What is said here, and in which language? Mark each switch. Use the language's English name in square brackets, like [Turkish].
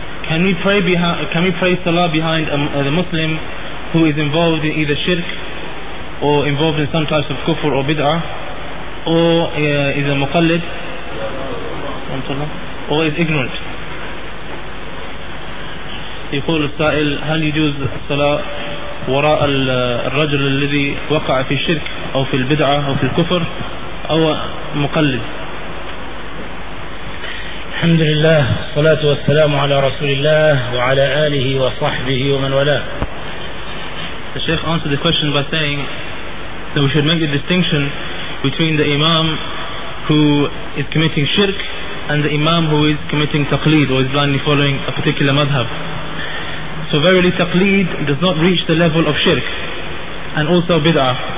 [English] Can we pray salah behind the Muslim who is involved in either shirk or involved in some types of kufr or bid'ah, or is a muqallid, or is ignorant? [Arabic] يقول السائل هل يجوز الصلاة وراء الرجل الذي وقع في الشرك أو في البدعة أو في الكفر أو مقلد؟ الحمد لله، الصلاة والسلام على رسول الله وعلى آله وصحبه ومن والاه. [English] The Sheikh answered the question by saying that we should make a distinction between the Imam who is committing shirk and the Imam who is committing taqleed or is blindly following a particular madhab. So verily taqleed does not reach the level of shirk and also bid'ah.